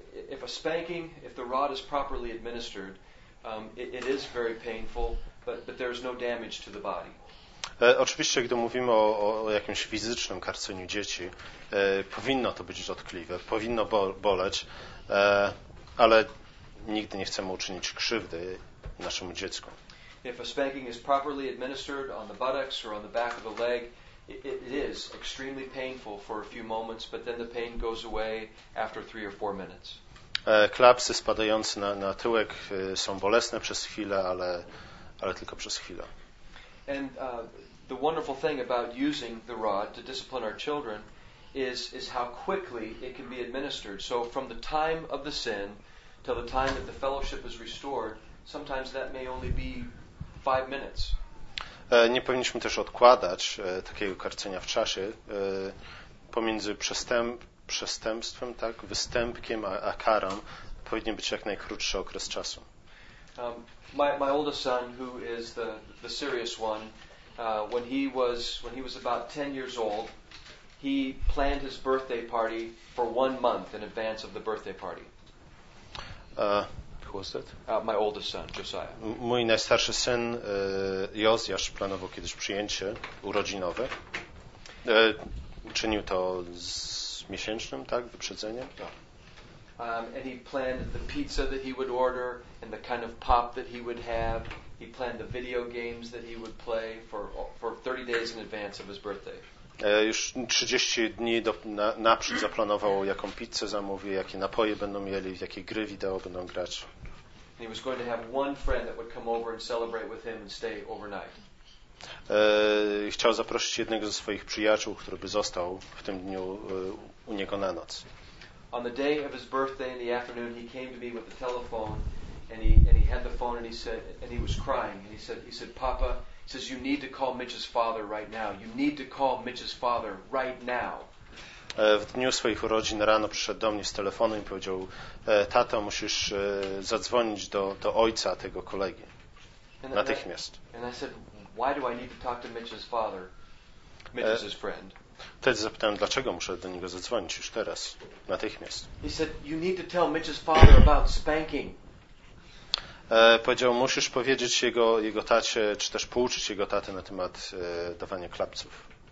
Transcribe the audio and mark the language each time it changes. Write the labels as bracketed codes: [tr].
[en] If a spanking, if the rod is properly administered, it is very painful, but there is no damage to the body. [pl] Oczywiście, gdy mówimy o jakimś fizycznym karceniu dzieci, powinno to być dotkliwe, powinno boleć, ale nigdy nie chcemy uczynić krzywdy naszemu dziecku. [en] If a spanking is properly administered on the buttocks or on the back of the leg, it is extremely painful for a few moments, but then the pain goes away after 3 or 4 minutes. [pl] Klapsy spadające na tyłek są bolesne przez chwilę, ale tylko przez chwilę. [en] And the wonderful thing about using the rod to discipline our children is how quickly it can be administered. So from the time of the sin till the time that the fellowship is restored, sometimes that may only be 5 minutes. [pl] Nie powinniśmy też odkładać takiego karcenia w czasie pomiędzy przestępstwem, tak, występkiem a karą powinien być jak najkrótszy okres czasu. [en] My oldest son, who is the serious one, when he was about 10 years old, he planned his birthday party for 1 month in advance of the birthday party. Who was that? My oldest son, Josiah. [pl] Mój najstarszy syn Jozjasz planował kiedyś przyjęcie urodzinowe. Uczynił to z miesięcznym, tak, wyprzedzeniem. [en] And he planned the pizza that he would order and the kind of pop that he would have. He planned the video games that he would play for 30 days in advance of his birthday. [pl] Już 30 dni naprzód zaplanował, jaką pizzę zamówi, jakie napoje będą mieli, w jakie gry wideo będą grać. [en] He was going to have one friend that would come over and celebrate with him and stay overnight. [pl] Chciał zaprosić jednego ze swoich przyjaciół, który by został w tym dniu u niego na noc. [en] On the day of his birthday in the afternoon, he came to me with the telephone, and he had the phone, and he said, and he was crying, and he said, Papa, he says, you need to call Mitch's father right now. You need to call Mitch's father right now. [pl] W dniu swoich urodzin rano przyszedł do mnie z telefonu i powiedział, tato, musisz zadzwonić do ojca tego kolegi. Natychmiast. [en] And I said, why do I need to talk to Mitch's father? Mitch is his friend. [pl] Wtedy zapytałem, dlaczego muszę do niego zadzwonić już teraz, natychmiast. [en] He said, you need to tell Mitch's father about spanking. [pl] Powiedział, musisz powiedzieć jego tacie, czy też pouczyć jego tatę na temat dawania klapców.